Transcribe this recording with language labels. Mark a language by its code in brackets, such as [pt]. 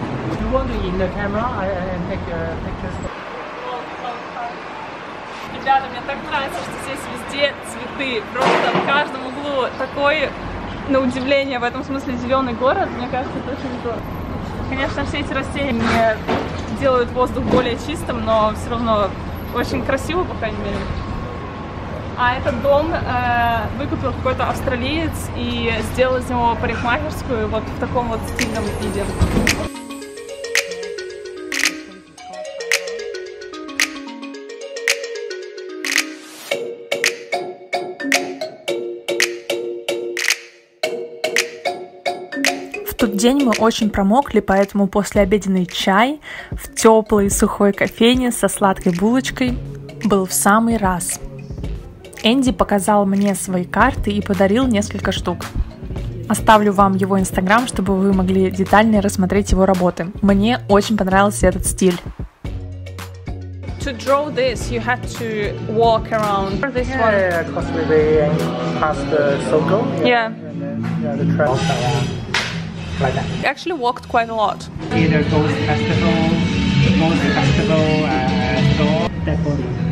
[en] Do you want to in the camera and take pictures? [ru] Ребята, мне так нравится, что здесь везде цветы. Просто в каждом углу такой, на удивление, в этом смысле зеленый город. Мне кажется, это очень здорово. Конечно, все эти растения мне делают воздух более чистым, но все равно очень красиво, по крайней мере. А этот дом выкупил какой-то австралиец и сделал из него парикмахерскую вот в таком вот стильном виде. В тот день мы очень промокли, поэтому послеобеденный чай в теплой сухой кофейне со сладкой булочкой был в самый раз. Энди показал мне свои карты и подарил несколько штук. Оставлю вам его инстаграм, чтобы вы могли детальнее рассмотреть его работы. Мне очень понравился этот стиль. [en] To draw this, you had to walk around this one. Yeah, across the bay and past the circle. Yeah. And then, yeah, the trail. Like that. You actually walked quite a lot. Either goes to festival, goes to festival, and or dead body.